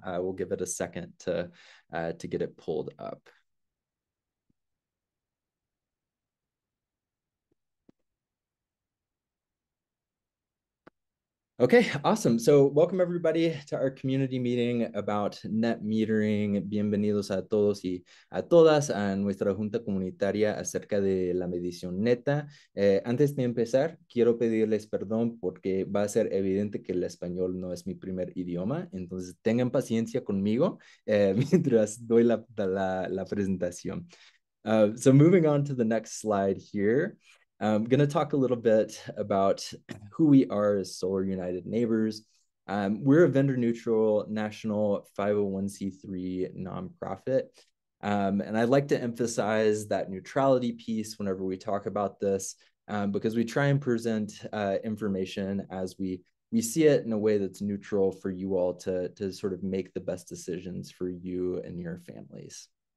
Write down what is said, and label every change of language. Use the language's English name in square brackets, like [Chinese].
[English] We'll give it a second to get it pulled up. Okay, awesome. So welcome everybody to our community meeting about net metering. [Spanish] Bienvenidos a todos y a todas a nuestra junta comunitaria acerca de la medición neta. Antes de empezar, quiero pedirles perdón porque va a ser evidente que el español no es mi primer idioma. Entonces tengan paciencia conmigo mientras doy la presentación. [English] So moving on to the next slide here. I'm going to talk a little bit about who we are as Solar United Neighbors. We're a vendor-neutral national 501c3 nonprofit. And I'd like to emphasize that neutrality piece whenever we talk about this, because we try and present information as we see it in a way that's neutral for you all to sort of make the best decisions for you and your families.